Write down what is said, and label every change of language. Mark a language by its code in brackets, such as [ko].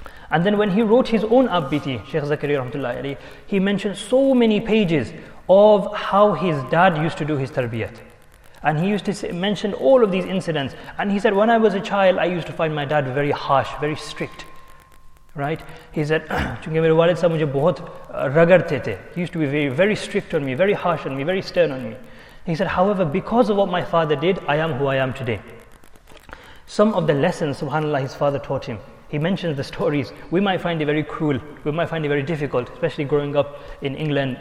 [en] And then when he wrote his own abbiti, Shaykh Zakariya rahmatullahi alayhi, he mentioned so many pages of how his dad used to do his tarbiyat. And he used to mention all of these incidents. And he said, when I was a child, I used to find my dad very harsh, very strict. Right? He said, [ur] چونکہ میرے والد صاحب مجھے بہت رگڑتے تھے. [en] He used to be very, very strict on me, very harsh on me, very stern on me. He said, however, because of what my father did, I am who I am today. Some of the lessons, subhanAllah, his father taught him. He mentions the stories. We might find it very cruel. We might find it very difficult, especially growing up in England.